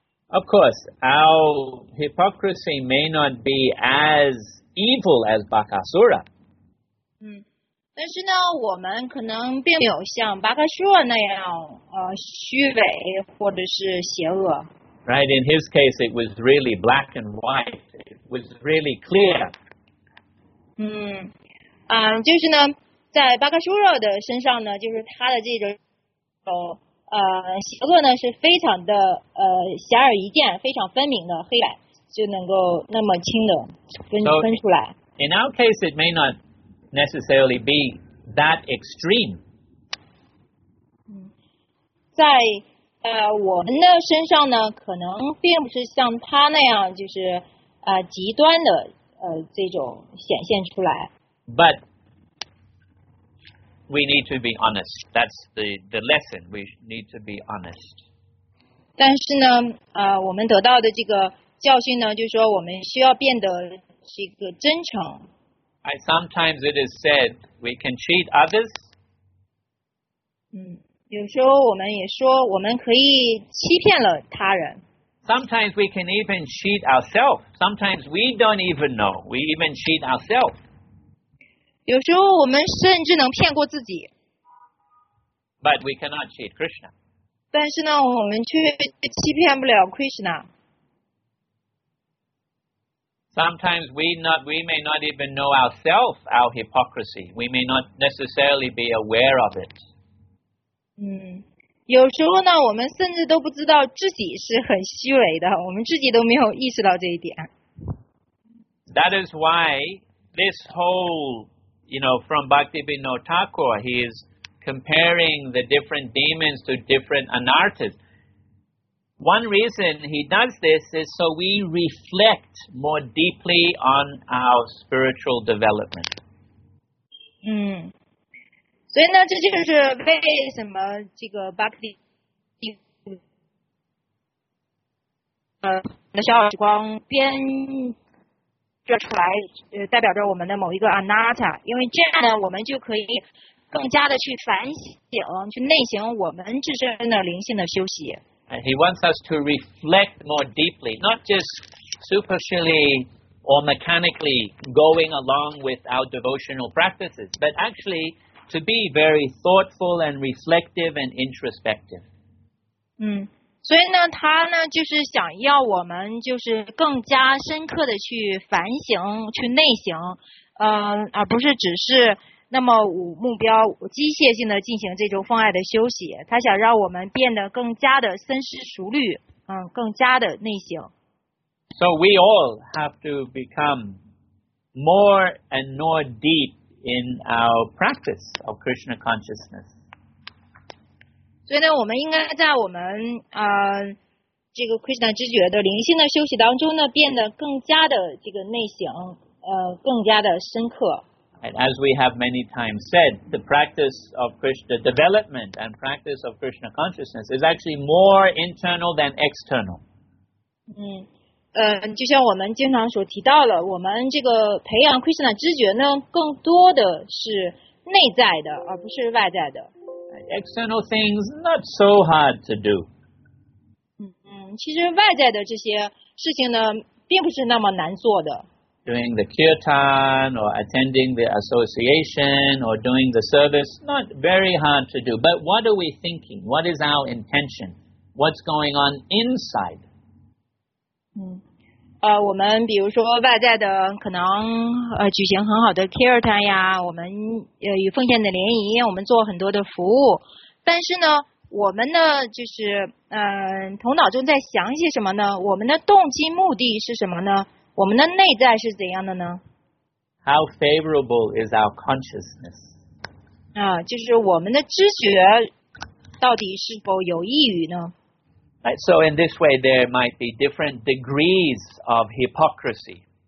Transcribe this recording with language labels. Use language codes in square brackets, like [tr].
[en] Of course, our hypocrisy may not be as evil as Bakasura. [zh] 但是呢，我们可能并没有像 Bakasura 那样虚伪或者是邪恶。 [en] Right, in his case, it was really black and white. It was really clear. [zh] 就是呢，在巴卡舒若的身上呢，就是他的这种邪恶呢是非常的显而易见，非常分明的黑白，就能够那么清的分出来。 [en] So, in our case, it may not necessarily be that extreme. [zh] 在我们的身上呢，可能并不是像他那样，就是极端的这种显现出来。 [en] But we need to be honest. That's the lesson. We need to be honest. [zh] 但是呢，我们得到的这个教训呢，就是说我们需要变得这个真诚。 [en] Sometimes it is said we can cheat others. [zh] 有时候我们也说我们可以欺骗了他人。 [en] Sometimes we can even cheat ourselves. Sometimes we don't even know. We even cheat ourselves. [zh] 有时候我们甚至能骗过自己。 [en] But we cannot cheat Krishna. [zh] 但是呢，我们却欺骗不了 Krishna. [en] Sometimes we may not even know ourselves, our hypocrisy. We may not necessarily be aware of it. [zh] 有时候呢，我们甚至都不知道自己是很虚伪的，我们自己都没有意识到这一点。 [en] That is why this whole... You know, from Bhaktivinoda Thakur, he is comparing the different demons to different anarthas. One reason he does this is so we reflect more deeply on our spiritual development. [zh] 所以呢，这就是为什么这个 Bhakti 的小耳光边。这出来代表着我们的某一个 anatta， 因为这样呢，我们就可以更加的去反省，去内省我们自身的灵性的修习。 [en] And he wants us to reflect more deeply, not just superficially or mechanically going along with our devotional practices, but actually to be very thoughtful and reflective and introspective. [zh] 所以呢，他呢就是想要我们就是更加深刻的去反省、去内省，而不是只是那么无目标、机械性的进行这种奉爱的修习。他想让我们变得更加的深思熟虑，更加的内省。 [en] So we all have to become more and more deep in our practice of Krishna consciousness. [zh] 所以呢，我们应该在我们这个 Krishna 知觉的灵性的修习当中呢，变得更加的这个内省，更加的深刻。 [en] As we have many times said, the practice of Krishna development and practice of Krishna consciousness is actually more internal than external. [zh] 就像我们经常所提到了，我们这个培养 Krishna 知觉呢，更多的是内在的，而不是外在的。 [en] External things not so hard to do. [zh] 其实外在的这些事情呢，并不是那么难做的。 [en] doing the kirtan or attending the association or doing the service, not very hard to do. But what are we thinking? What is our intention? What's going on inside? [zh] 我们比如说外在的可能举行很好的 kirtan 呀，我们与奉献的联谊，我们做很多的服务，但是呢。我们呢，就是头脑中在想一些什么呢？我们的动机目的是什么呢？我们的内在是怎样的呢？ [en] How favorable is our consciousness? [zh] 就是我们的知觉到底是否有益于呢？ [en] Right, so in this way, there might be different degrees of hypocrisy.